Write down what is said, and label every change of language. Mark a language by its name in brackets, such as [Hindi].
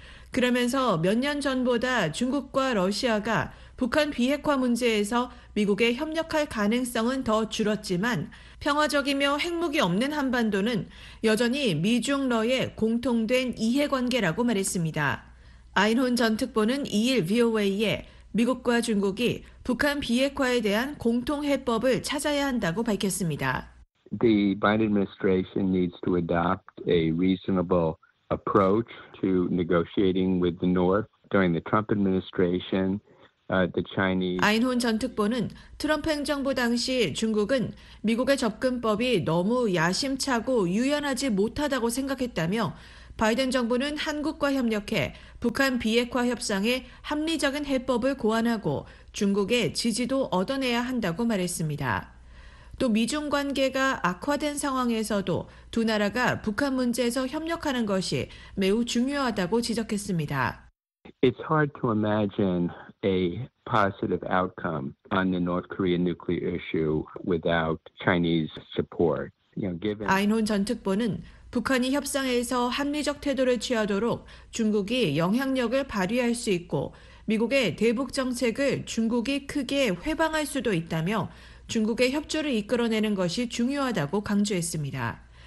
[Korean] 그러면서 몇 년 전보다 중국과 러시아가 북한 비핵화 문제에서 미국에 협력할 가능성은 더 줄었지만 평화적이며 핵무기 없는 한반도는 여전히 미중러의 공통된 이해관계라고 말했습니다. 아인혼 전 특보는 2일 VOA에 미국과 중국이 북한 비핵화에 대한 공통 해법을 찾아야 한다고 밝혔습니다. [English] The Biden administration needs to adopt a reasonable approach to negotiating with the North during the Trump administration. The Chinese [Korean] 아인혼 전 특보는 트럼프 행정부 당시 중국은 미국의 접근법이 너무 야심차고 유연하지 못하다고 생각했다며 바이든 정부는 한국과 협력해 북한 비핵화 협상에 합리적인 해법을 고안하고 중국의 지지도 얻어내야 한다고 말했습니다. 또 미중 관계가 악화된 상황에서도 두 나라가 북한 문제에서 협력하는 것이 매우 중요하다고 지적했습니다. [English] It's hard to imagine a positive outcome on the North Korean nuclear issue without Chinese support. You know, given [Korean] 아인혼 전 특보는 북한이 협상에서 합리적 태도를 취하도록 중국이 영향력을 발휘할 수 있고 미국의 대북 정책을 중국이 크게 회방할 수도 있다며 중국의 협조를 이끌어내는 것이 중요하다고 강조했습니다.